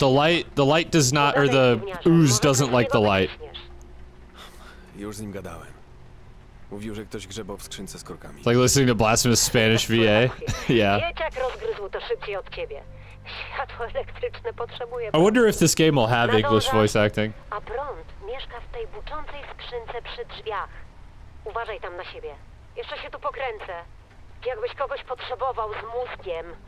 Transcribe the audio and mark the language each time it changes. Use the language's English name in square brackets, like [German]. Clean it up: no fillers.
[English] The light does not, or the ooze doesn't like the light. [Polish] Już z nim gadałem. Mówił, że ktoś grzebał w skrzynce z korkami. [English] Like listening to Blasphemous Spanish VA. Yeah. [Polish] Dzieciak rozgryzł to szybciej od ciebie. Światło elektryczne potrzebuje. [English] I wonder if this game will have English voice acting. [Polish] A prąd mieszka w tej buczącej skrzynce przy drzwiach. Uważaj tam na siebie. Jeszcze się tu pokręcę. Jakbyś kogoś potrzebował z mózgiem.